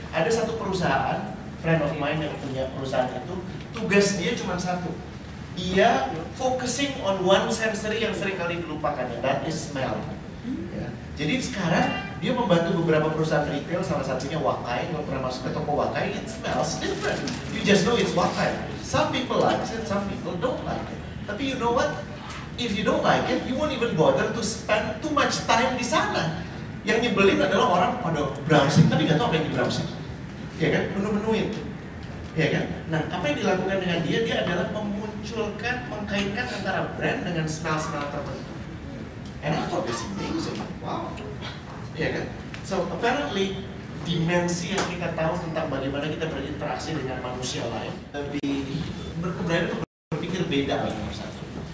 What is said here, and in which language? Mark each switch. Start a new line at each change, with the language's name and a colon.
Indonesian: Ada satu perusahaan,
English: friend of mine
Indonesian: yang punya perusahaan itu, tugas dia cuma satu.
English: Dia focusing on one sensory
Indonesian: yang sering kali dilupakan,
English: that is smell. Ya.
Indonesian: Jadi sekarang dia membantu beberapa perusahaan retail, salah satunya Wakai. Kalau pernah masuk ke toko
English: Wakai, it smells different. You just know it's Wakai. Some people like it, some people don't like it.
Indonesian: Tapi
English: you know what? If you don't like it, you won't even bother to spend too much time
Indonesian: di sana. Yang nyebelin adalah orang pada browsing, tapi nggak tahu apa yang di browsing. Ya kan? Menu-menuin. Ya kan? Nah, apa yang dilakukan dengan dia? Dia adalah memunculkan, mengkaitkan antara brand dengan smell-smell tertentu.
English: And I thought this amazing.
Indonesian: Wow. Ya kan?
English: So, apparently,
Indonesian: dimensi yang kita tahu tentang bagaimana kita berinteraksi dengan manusia lain lebih berkembang itu berpikir beda lagi nomor satu.